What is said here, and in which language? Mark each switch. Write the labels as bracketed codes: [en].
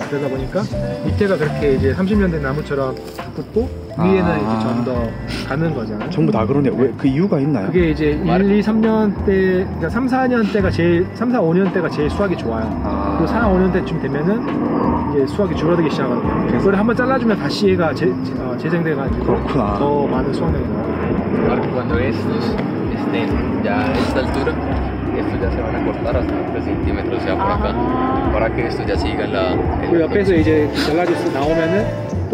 [ko] 그러다 보니까 밑에가 그렇게 이제 30년 된 나무처럼 붙고 위에는 이제 좀 더 가는 거잖아요. 전부 다 그러네. 왜 그 이유가 있나요? 그게 이제 1, 2, 3년 때, 그러니까 3, 4년 때가 제일 3, 4, 5년 때가 제일 수확이 좋아요. 그리고 4, 5년 때쯤 되면은 이제 수확이 줄어들기 시작하거든요. 그걸 한번 잘라주면 다시 얘가 재생돼가지고 그렇구나. 더 많은 수확을 얻는 거예요. [es] Cuando esos estén ya a esta altura, estos ya se van a cortar hasta 3 centímetros ya por acá, para que estos ya sigan la. [ko] 그 옆에서 이제 잘라주고 나오면은.